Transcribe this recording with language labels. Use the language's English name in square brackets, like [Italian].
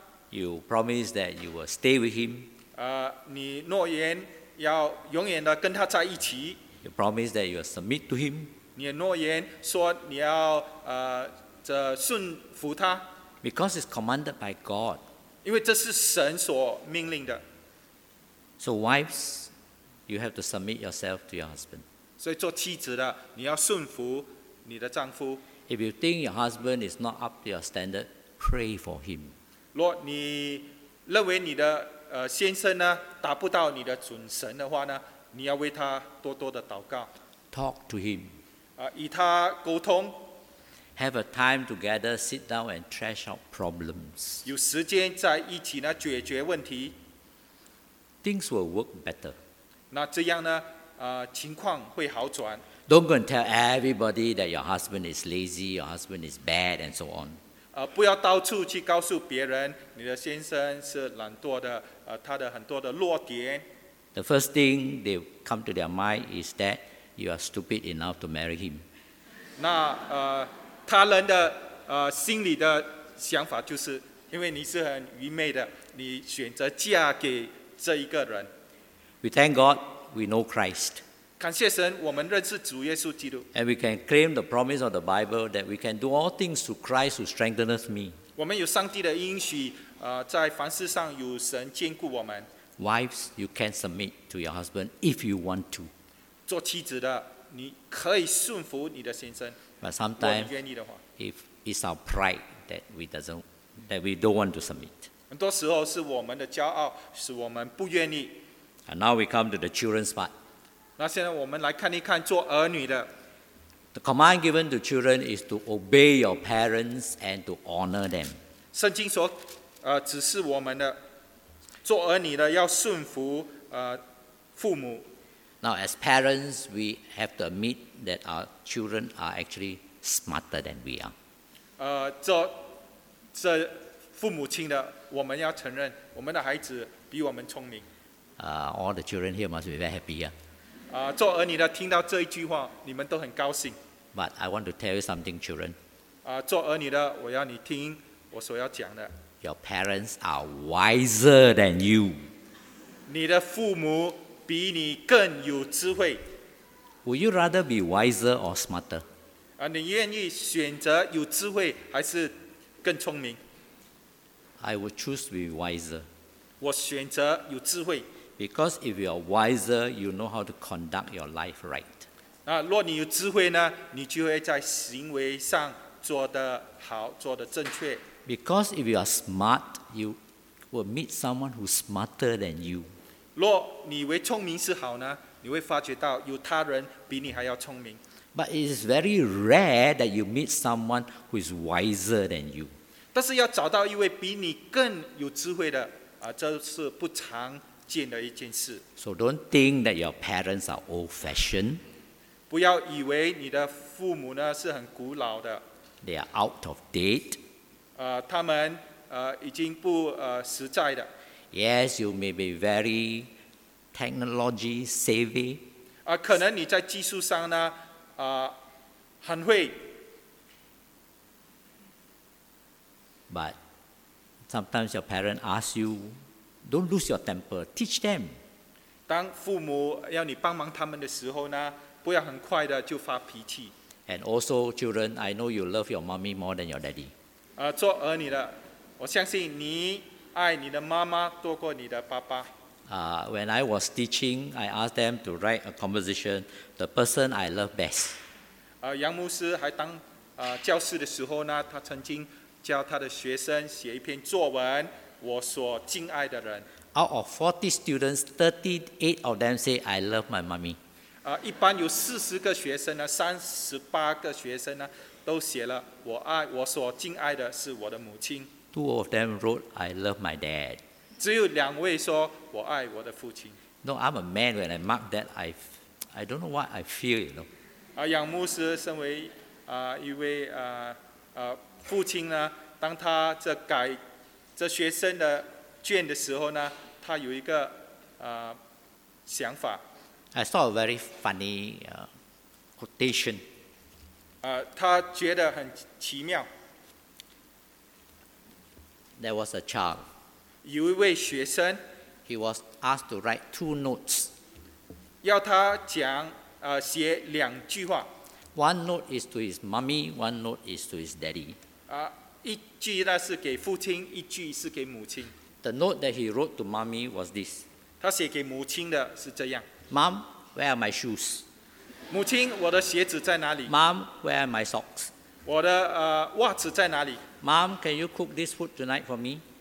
[English] You promise that you will stay with him. [Chinese] 你诺言要永远的跟他在一起。 [English] You promise that you will submit to him. [Chinese] 你诺言说你要这顺服他。 [English] Because it's commanded by God. [Chinese] 因为这是神所命令的。 [English] So wives, you have to submit yourself to your husband. [Chinese] 所以做妻子的，你要顺服你的丈夫。 [English] If you think your husband is not up to your standard, pray for him. [Chinese] 若你认为你的先生呢达不到你的准绳的话呢，你要为他多多的祷告。 [English] Talk to him. [Chinese] 与他沟通。 [English] Have a time together, sit down and trash out problems. [Chinese] 有时间在一起呢，解决问题。 [English] Things will work better. [Chinese] 那这样呢，情况会好转。 [English] Don't go and tell everybody that your husband is lazy, your husband is bad, and so on. [Chinese] 不要到处去告诉别人你的先生是懒惰的，他的很多的弱点。 [English] The first thing they come to their mind is that you are stupid enough to marry him. [Chinese] 那他人的心里的想法就是，因为你是很愚昧的，你选择嫁给这一个人。 [English] We thank God we know Christ. [Chinese] 感谢神，我们认识主耶稣基督。 [English] And we can claim the promise of the Bible that we can do all things through Christ who strengtheneth me. [Chinese] 我们有上帝的应许，在凡事上有神坚固我们。 [English] Wives, you can submit to your husband if you want to. [Chinese] 做妻子的，你可以顺服你的先生。 [English] But sometimes, if it's our pride that we don't want to submit. [Chinese] 很多时候是我们的骄傲使我们不愿意。 [English] And now we come to the children's part. [Chinese] 那现在我们来看一看做儿女的。 [English] The command given to children is to obey your parents and to honor them. [Chinese] 圣经所指示我们的做儿女的要顺服父母。 [English] Now as parents, we have to admit that our children are actually smarter than we are. [Chinese] 这父母亲的，我们要承认，我们的孩子比我们聪明。 [English] All the children here must be very happy. [Chinese] 做儿女的听到这一句话，你们都很高兴。 [English] But I want to tell you something, children. [Chinese] 做儿女的，我要你听我所要讲的。 [English] Your parents are wiser than you. [Chinese] 你的父母比你更有智慧。 [English] Would you rather be wiser or smarter? [Chinese] 你愿意选择有智慧还是更聪明？ [English] I would choose to be wiser. [Chinese] 我选择有智慧。 [English] Because if you are wiser, you know how to conduct your life right. [Chinese] 若你有智慧呢，你就会在行为上做得好，做得正确。 [English] Because if you are smart, you will meet someone who's smarter than you. [Chinese] 若你为聪明是好呢，你会发觉到有他人比你还要聪明。 [English] But it is very rare that you meet someone who is wiser than you. [Chinese] 但是要找到一位比你更有智慧的，这是不常见的一件事。 [English] So don't think that your parents are old-fashioned. [Chinese] 不要以为你的父母呢是很古老的。 [English] They are out of date. [Chinese] 他们已经不实在的。 [English] Yes, you may be very technology savvy. [Chinese] 可能你在技术上呢很会。 [English] But sometimes your parents ask you, don't lose your temper, teach them. [Chinese] 当父母要你帮忙他们的时候呢，不要很快的就发脾气。 [English] And also, children, I know you love your mommy more than your daddy. [Chinese] 做儿女的，我相信你爱你的妈妈多过你的爸爸。 [English] When I was teaching, I asked them to write a composition, the person I love best. [Chinese] 杨牧师还当教师的时候呢，他曾经教他的学生写一篇作文，我所敬爱的人。 [English] Out of 40 students, 38 of them say, I love my mommy. [Chinese] 一般有40个学生呢，38个学生呢，都写了我所敬爱的是我的母亲。 [English] Two of them wrote, I love my dad. [Chinese] 只有两位说我爱我的父亲。 [English] No, I'm a man when I mark that, I don't know what I feel, you know. [Chinese] 杨牧师身为一位父亲呢，当他这学生的卷的时候呢，他有一个想法。 [English] I saw a very funny quotation. [Chinese] 他觉得很奇妙。 [English] There was a child. [Chinese] 有一位学生。 [English] He was asked to write two notes. [Chinese] 要他讲写两句话。 [English] One note is to his mommy, one note is to his daddy. [Chinese] 一句那是给父亲，一句是给母亲。 [English] The note that he wrote to mommy was this. [Chinese] 他写给母亲的是这样。 [English] Mom, where are my shoes? [Chinese] 母亲，我的鞋子在哪里？ [English] Mom, where are my socks? [Chinese] 我的袜子在哪里？ [English] Mom, can you cook this food tonight for me?